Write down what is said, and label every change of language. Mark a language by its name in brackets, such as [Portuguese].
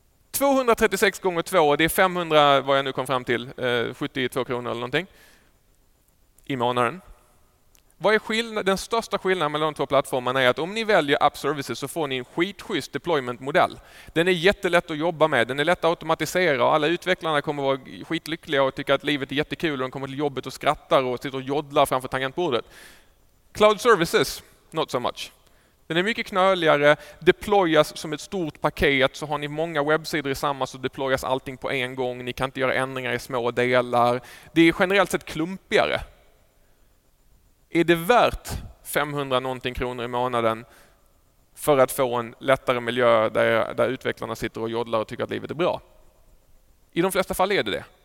[Swedish] 236 gånger två, det är 500, vad jag nu kom fram till, 72 kronor eller någonting i månaden. Vad är skillnaden? Den största skillnaden mellan de två plattformarna är att om ni väljer App Services så får ni en skitschysst deployment-modell. Den är jättelätt att jobba med, den är lätt att automatisera och alla utvecklarna kommer vara skitlyckliga och tycka att livet är jättekul och de kommer till jobbet och skrattar och sitter och joddlar framför tangentbordet. [English] Cloud Services, not so much. [Swedish] Den är mycket knöligare, deployas som ett stort paket så har ni många webbsidor i samma så deployas allting på en gång. Ni kan inte göra ändringar i små delar. Det är generellt sett klumpigare. Är det värt 500 någonting kronor i månaden för att få en lättare miljö där utvecklarna sitter och joddlar och tycker att livet är bra? I de flesta fall är det det.